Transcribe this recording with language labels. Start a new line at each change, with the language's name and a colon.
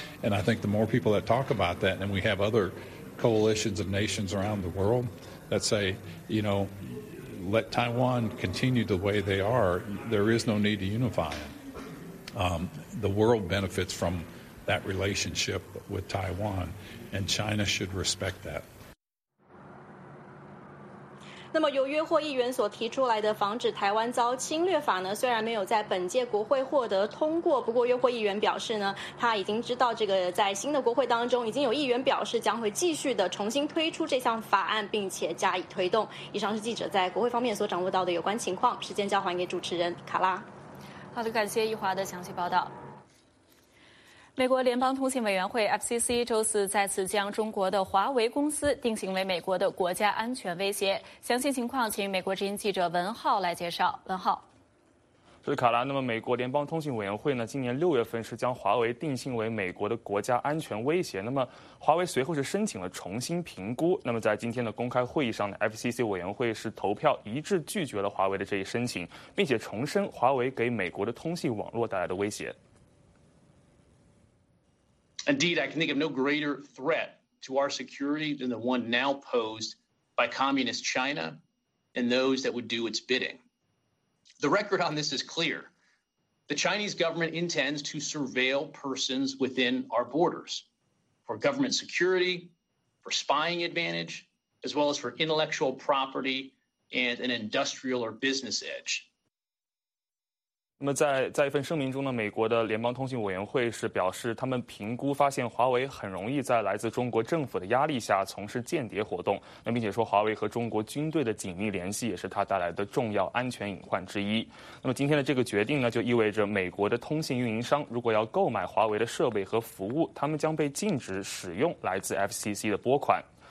English: And I think the more people that talk about that, and we have other coalitions of nations around the world that say, you know,Let Taiwan continue the way they are. There is no need to unify them. The world benefits from that relationship with Taiwan, and China should respect that.
Chinese: 那么由约霍议员所提出来的防止台湾遭侵略法呢虽然没有在本届国会获得通过不过约霍议员表示呢他已经知道这个在新的国会当中已经有议员表示将会继续的重新推出这项法案并且加以推动以上是记者在国会方面所掌握到的有关情况时间交还给主持人卡拉好的感谢易华的详细报道美国联邦通信委员会 FCC 周四再次将中国的华为公司定性为美国的国家安全威胁。详细情况请美国之音记者文浩来介绍。文浩。是卡拉，那么美国联邦通信委员会呢今年六月份是将华为定性为美国的国家安全威胁。那么华为随后是申请了重新评估。那么在今天的公开会议上呢 ,FCC 委员会是投票一致拒绝了华为的这一申请并且重申华为给美国的通信网络带来的威胁。
English: Indeed, I can think of no greater threat to our security than the one now posed by communist China and those that would do its bidding. The record on this is clear. The Chinese government intends to surveil persons within our borders for government security, for spying advantage, as well as for intellectual property and an industrial or business edge.
Chinese: 那么在一份声明中呢美国的联邦通信委员会是表示他们评估发现华为很容易在来自中国政府的压力下从事间谍活动那并且说华为和中国军队的紧密联系也是它带来的重要安全隐患之一那么今天的这个决定呢就意味着美国的通信运营商如果要购买华为的设备和服务他们将被禁止使用来自 FCC 的拨款